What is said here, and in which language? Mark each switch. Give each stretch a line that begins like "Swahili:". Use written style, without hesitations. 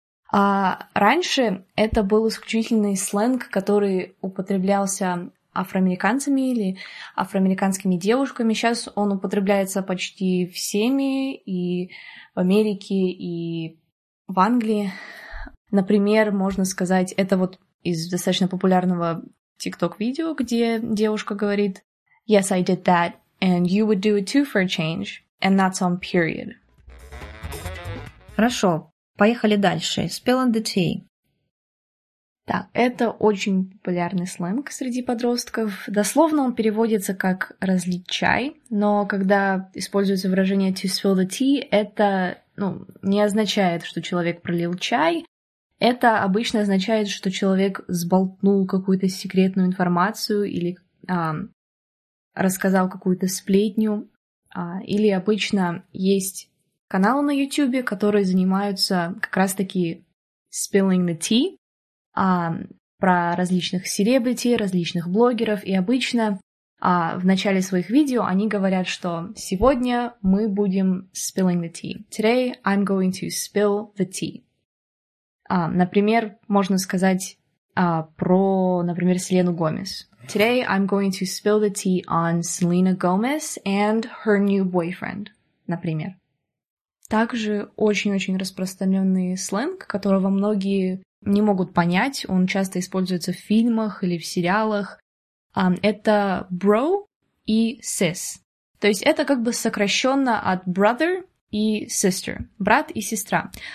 Russian: А раньше это был исключительный сленг, который употреблялся афроамериканцами или афроамериканскими девушками. Сейчас он употребляется почти всеми и в Америке, и в Англии. Например, можно сказать, это вот из достаточно популярного TikTok-видео, где девушка говорит
English: «Yes, I did that, and you would do it too for a change, and that's on period».
Russian: Хорошо, поехали дальше.
English: Spill on the tea.
Russian: Так, это очень популярный сленг среди подростков. Дословно он переводится как «разлить чай», но когда используется выражение
English: «to spill the tea»,
Russian: это, ну, не означает, что человек пролил чай. Это обычно означает, что человек сболтнул какую-то секретную информацию или рассказал какую-то сплетню. Или обычно есть каналы на YouTube, которые занимаются как раз-таки
English: «spilling the tea».
Russian: Про различных селебрити, различных блогеров, и обычно в начале своих видео они говорят, что сегодня мы будем
English: spilling the tea. Today I'm going to spill the tea.
Russian: Например, можно сказать про, например, Селену Гомес.
English: Today I'm going to spill the tea on Selena Gomez and her new boyfriend, например.
Russian: Также очень-очень распространенный сленг, которого многие не могут понять, он часто используется в фильмах или в сериалах. Это bro и sis. То есть это как бы сокращенно от brother и sister. Брат и сестра.